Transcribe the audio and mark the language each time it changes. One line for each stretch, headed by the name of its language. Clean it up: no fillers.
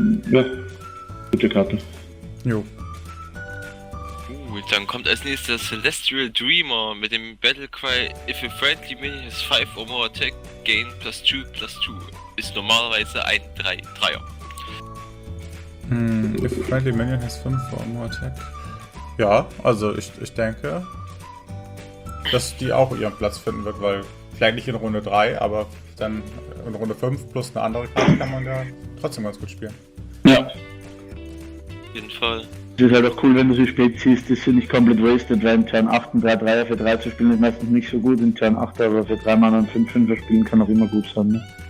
German: Ja. Gute Karte. Jo. Dann kommt als nächstes Celestial Dreamer mit dem Battlecry:
English: If a friendly minion has 5 or more attack, gain +2/+2.
German: Ist normalerweise ein 3-3er.
English: If a friendly minion has 5 or more attack.
German: Ja, also ich denke, dass die auch ihren Platz finden wird, weil vielleicht nicht in Runde 3, aber dann in Runde 5 plus eine andere Karte kann man ja trotzdem ganz gut spielen. Ja. Auf jeden Fall. Es ist halt auch cool, wenn du sie spät ziehst, ist sie nicht komplett wasted, weil in Turn 8 ein 3-3er für 3 zu spielen ist meistens nicht so gut, in Turn 8 aber für 3 Mana und 5-5er spielen kann auch immer gut sein, ne?